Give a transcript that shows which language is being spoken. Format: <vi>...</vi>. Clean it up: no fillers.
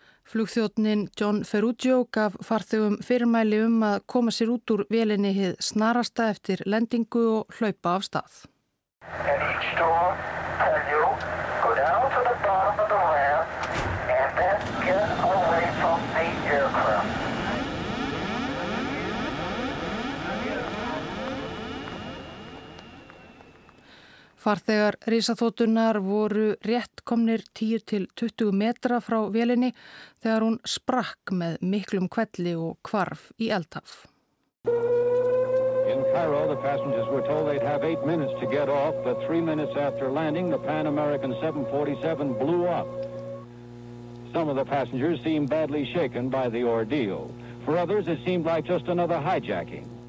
<is>Flugþjónninn John Ferruccio gaf farþegum fyrirmæli að koma sér út úr vélinni hið snarasta eftir lendingu og hlaupa af stað.</is> <en>At each door, tell you, go down to the bottom of the ramp and then get away from the aircraft.</en> <is>Farþegar risaþotunnar voru rétt komnir 10 til 20 metra frá vélinni þegar hún sprakk með miklum hvelli og hvarf í eldhaf.</is> <en>In Cairo, the passengers were told they'd have 8 minutes to get off, but 3 minutes after landing, the Pan American 747 blew up. Some of the passengers seemed badly shaken by the ordeal. For others, it seemed like just another hijacking.</en>